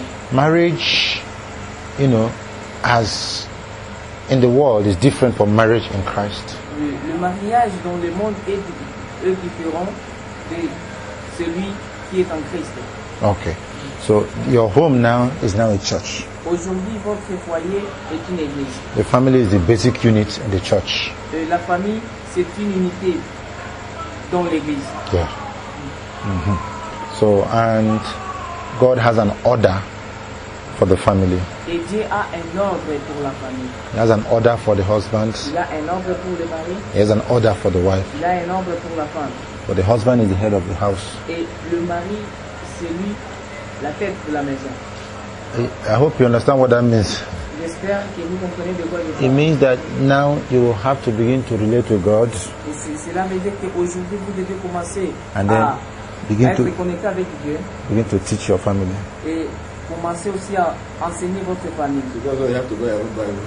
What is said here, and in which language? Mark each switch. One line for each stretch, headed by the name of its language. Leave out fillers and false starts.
English: Marriage, you know, as in the world, is different from marriage in Christ.
French: Le mariage dans le monde est différent de celui qui est en Christ.
English: Okay, so your home now is now a church.
French: Aujourd'hui, votre foyer est une église.
English: The family is the basic unit in the church.
French: La famille, c'est une unité dans l'église. Yeah. Mm-hmm.
English: So, and God has an order for the family.
French: Et Dieu a un ordre pour la famille.
English: He has an order for the husband.
French: Il a un ordre pour le mari.
English: He has an order for the wife.
French: Il a un ordre pour la femme.
English: But the husband is the head of the house.
French: Et le mari, c'est lui, la tête de la maison.
English: I hope you understand what that means.
French: J'espère que vous comprenez de quoi je parle.
English: It means that now you will have to begin to relate to God.
French: Cela veut dire qu'aujourd'hui vous devez commencer
English: and then, à Begin to teach your family.
French: Commencez aussi à enseigner votre famille.
English: Because you have to buy your own Bible.